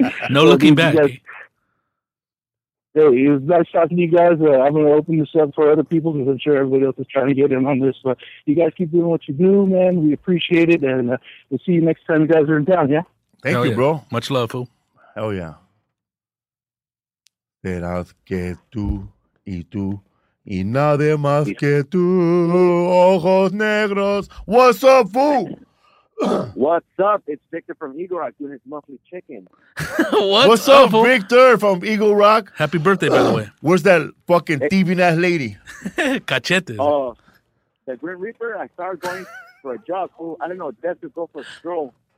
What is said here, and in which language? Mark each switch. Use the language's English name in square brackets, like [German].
[English] No looking back. Hey, it was nice talking to you guys. I'm going to open this up for other people because I'm sure everybody else is trying to get in on this. But you guys keep doing what you do, man. We appreciate it. And we'll see you next time you guys are in town, yeah? Thank you, bro. Much love, fool. Hell yeah. [Spanish] Serás que tú y tú y nadie más que tú, ojos negros. [English] What's up, fool? What's up? It's Victor from Eagle Rock doing his monthly check-in. What's up, Victor from Eagle Rock? Happy birthday, by the way. Where's that fucking thieving ass lady? Cachetes. The Grim Reaper, I started going for a jog. Oh, I don't know, death to go for a stroll.